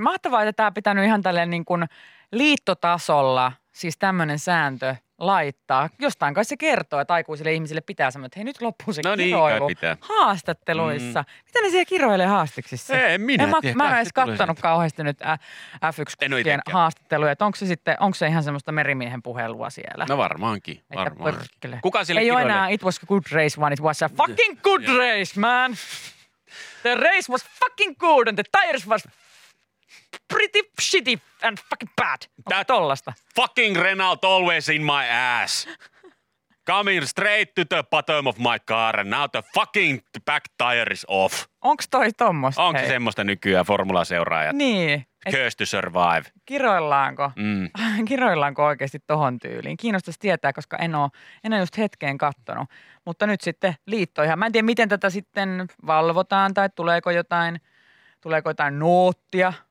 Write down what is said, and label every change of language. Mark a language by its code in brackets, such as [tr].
[fi] Mahtavaa, että tämä on pitänyt ihan tälleen niin kuin liittotasolla, siis tämmöinen sääntö laittaa. Jostain kai se kertoo, että aikuisille ihmisille pitää sanoa, että hei, nyt loppuu se kiroilu haastatteluissa. Mitä ne siellä kiroilee haastiksissa? En minä tiedä. Mä en edes katsonut kauheasti nyt F1-kuskien haastatteluja, että onko se sitten, onko se ihan semmoista merimiehen puhelua siellä? No varmaankin. Kuka sille ei kiroilee? Ei enää, [en] it was a good race, [fi] vaan [en] it was a fucking good race, man. The race was fucking good and the tires was pretty shitty and fucking bad. [fi] Onko tollaista? [en] Fucking Renault always in my ass. Coming straight to the bottom of my car and now the fucking back tire is off. [fi] Onks toi tommoista? Onks se semmoista nykyään formulaseuraajat? Niin. [en] Curse to survive. [fi] Kiroillaanko? Kiroillaanko oikeasti tohon tyyliin? Kiinnostaisi tietää, koska en ole just hetkeen kattonut. Mutta nyt sitten liitto ihan. Mä en tiedä, miten tätä sitten valvotaan tai tuleeko jotain noottia.